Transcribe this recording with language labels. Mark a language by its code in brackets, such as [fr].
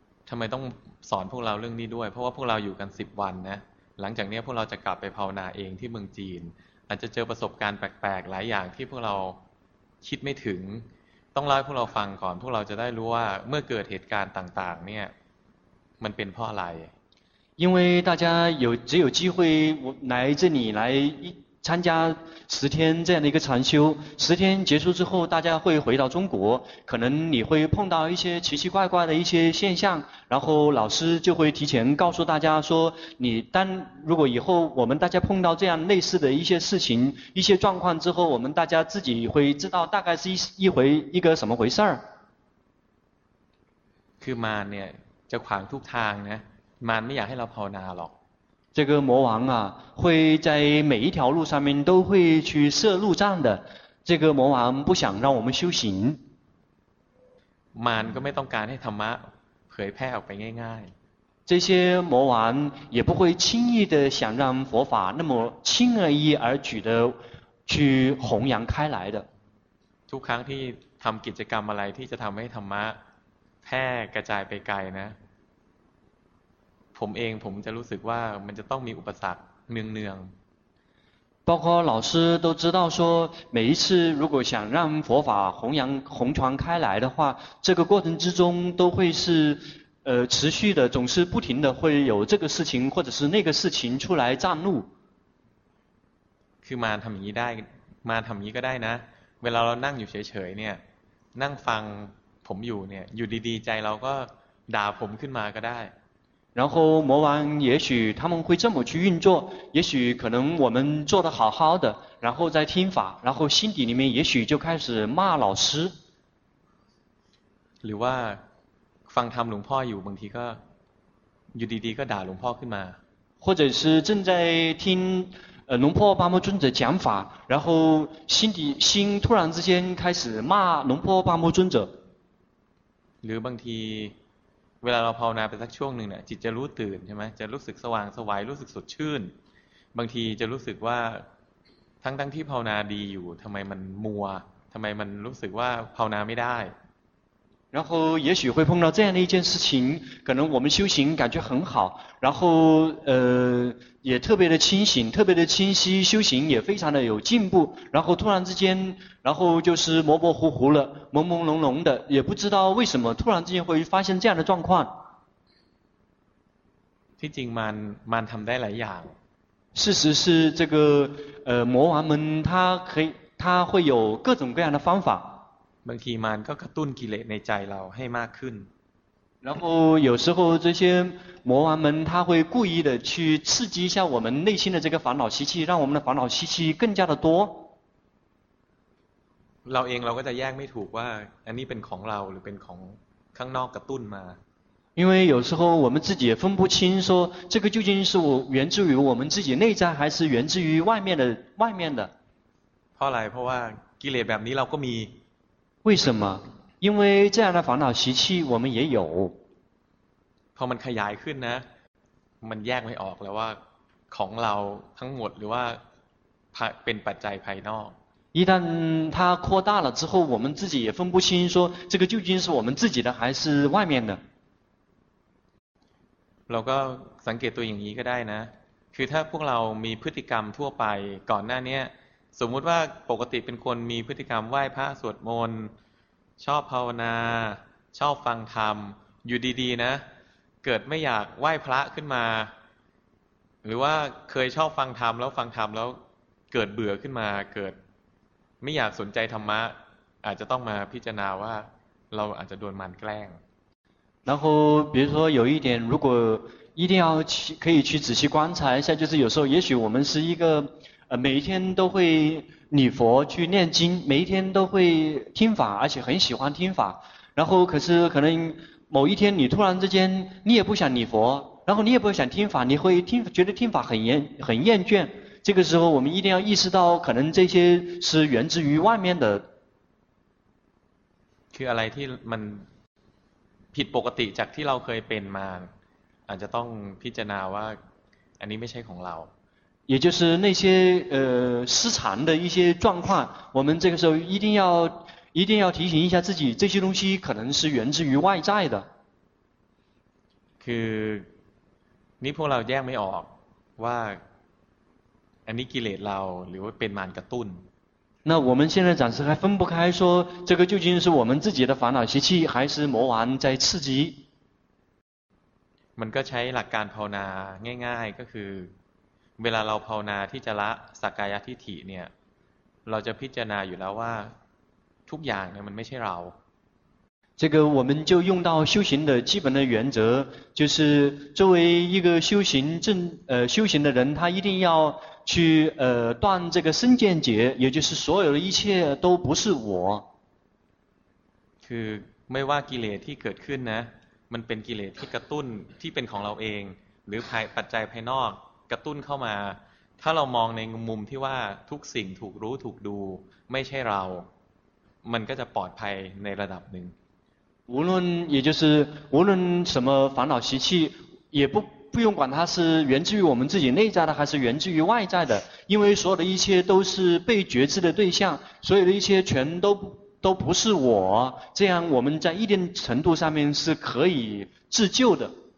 [th] ทำไมต้องสอนพวกเราเรื่องนี้ด้วยเพราะว่าพวกเราอยู่กัน10วันนะหลังจากนี้พวกเราจะกลับไปภาวนาเองที่เมืองจีนอาจจะเจอประสบการณ์แปลกๆหลายอย่างที่พวกเราคิดไม่ถึงต้องเล่าให้พวกเราฟังก่อนพวกเราจะได้รู้ว่าเมื่อเกิดเหตุการณ์ต่างๆเนี่ยมันเป็นเพราะอะไร [zh] 因为大家只有机会来这里来参加十天这样的一个禅修十天结束之后大家会回到中国可能你会碰到一些奇奇怪怪的一些现象然后老师就会提前告诉大家说你当如果以后我们大家碰到这样类似的一些事情一些状况之后我们大家自己会知道大概是一个什么回事儿 [th] คือมาเนี่ยจะขวางทุกทางนะมาไม่อยากให้เราภาวนาหรอก [zh] 这个魔王啊会在每一条路上面都会去设路障的这个魔王不想让我们修行 [th] มารก็ไม่ต้องการให้ธรรมะเผยแพร่ออกไปง่าย [zh] ๆ这些魔王也不会轻易的想让佛法那么轻而易而举的去弘扬开来的 [th] ทุกครั้งที่ทำกิจกรรมอะไรที่จะทำให้ธรรมะแพร่กระจายไปไกลนะผมเองผมจะรู้สึกว่ามันจะต้องมีอุปสรรคเนือง [zh] ๆ包括老师都知道说每一次如果想让佛法弘扬弘传开来的话这个过程之中都会是持续的总是不停的会有这个事情或者是那个事情出来占路。 [th] คือมาทำอย่างนี้ได้มาทำอย่างนี้ก็ได้นะเวลาเรานั่งอยู่เฉยๆเนี่ยนั่งฟังผมอยู่เนี่ยอยู่ดีๆใจเราก็ด่าผมขึ้นมาก็ได้ [zh] 然后魔王也许他们会这么去运作，也许可能我们做得好好的，然后再听法，然后心底里面也许就开始骂老师。 [th] หรือว่าฟังธรรมหลวงพ่ออยู่บางทีก็อยู่ดีๆก็ด่าหลวงพ่อขึ้นมา [zh] 或者是正在听龙婆巴摩尊者讲法，然后心突然之间开始骂龙婆巴摩尊者。 [th] หรือบางทีเวลาเราภาวนาไปสักช่วงหนึ่งเนี่ยจิตจะรู้ตื่นใช่ไหมจะรู้สึกสว่างสวัยรู้สึกสดชื่นบางทีจะรู้สึกว่าทั้งที่ภาวนาดีอยู่ทำไมมันมัวทำไมมันรู้สึกว่าภาวนาไม่ได้ [zh] 然后也许会碰到这样的一件事情可能我们修行感觉很好然后也特别的清醒特别的清晰修行也非常的有进步然后突然之间然后就是模模糊糊了朦朦胧胧的也不知道为什么突然之间会发现这样的状况 [th] ที่จริงมันทำได้หลายอย่าง [zh] 事实是这个魔王们他会有各种各样的方法 [th] บางทีมันก็กระตุ้นกิเลสในใจเราให้มากขึ้น [zh] 然后有时候这些魔王们他会故意的去刺激一下我们内心的这个烦恼习气让我们的烦恼习气更加的多 [th] เราเองเราก็จะแยกไม่ถูกว่าอันนี้เป็นของเราหรือเป็นของข้างนอกกระตุ้นมา [zh] 因为有时候我们自己也分不清说这个究竟是源自于我们自己内在还是源自于外面的 [th] เพราะอะไรเพราะว่ากิเลสแบบนี้เราก็มี [zh] 为什么因为这样的烦恼习气我们也有 [th] พอมันขยายขึ้นนะมันแยกไม่ออกแล้วว่าของเราทั้งหมดหรือว่าเป็นปัจจัยภายนอก [zh] 一旦它扩大了之后我们自己也分不清说这个究竟是我们自己的还是外面的 [th] เราก็สังเกตตัวอย่างนี้ก็ได้นะคือถ้าพวกเรามีพฤติกรรมทั่วไปก่อนหน้านี้สมมุติว่าปกติเป็นคนมีพฤติกรรมไหว้พระสวดมนต์ชอบภาวนาชอบฟังธรรมอยู่ดีๆนะเกิดไม่อยากไหว้พระขึ้นมาหรือว่าเคยชอบฟังธรรมแล้วฟังธรรมแล้วเกิดเบื่อขึ้นมาเกิดไม่อยากสนใจธรรมะอาจจะต้องมาพิจารณาว่าเราอาจจะโดนมารแกล้ง [zh] 然后比如说有一点如果一定要可以去仔细观察一下就是有时候也许我们是一个每一天都会礼佛去念经每一天都会听法而且很喜欢听法然后可是可能某一天你突然之间你也不想礼佛然后你也不想听法你会听觉得听法很厌倦这个时候我们一定要意识到可能这些是源自于外面的 [th] คืออะไรที่มันผิดปกติจากที่เราเคยเป็นมาอาจจะต้องพิจารณาว่าอันนี้ไม่ใช่ของเรา [zh] 也就是那些失常的一些状况我们这个时候一定要提醒一下自己这些东西可能是源自于外在的 [th] คือนี่พวกเราแยกไม่ออกว่าอันนี้กิเลสเราหรือว่าเป็นมารกระตุ้น [zh] 那我们现在暂时还分不开说这个究竟是我们自己的烦恼习气还是魔王在刺激 [th] มันก็ใช้หลักการภาวนาง่ายๆก็คือเวลาเราภาวนาที่จะละสักกายทิฏฐิเนี่ยเราจะพิจารณาอยู่แล้วว่าทุกอย่างเนี่ยมันไม่ใช่เรา [zh] 这个我们就用到修行的基本的原则就是作为一个修行的人他一定要去断这个身见结也就是所有的一切都不是我 [th] คือไม่ว่ากิเลสที่เกิดขึ้นนะมันเป็นกิเลสที่กระตุ้นที่เป็นของเราเองหรือภายปัจจัยภายนอกกระตุ้นเข้ามาถ้าเรามองในมุมที่ว่าทุกสิ่งถูกรู้ถูกดูไม่ใช่เรามันก็จะปลอดภัยในระดับหนึ่ง [zh] 无论也就是无论什么烦恼习气也不用管它是源自于我们自己内在的还是源自于外在的因为所有的一切都是被觉知的对象所有的一切全都不是我这样我们在一定程度上面是可以自救的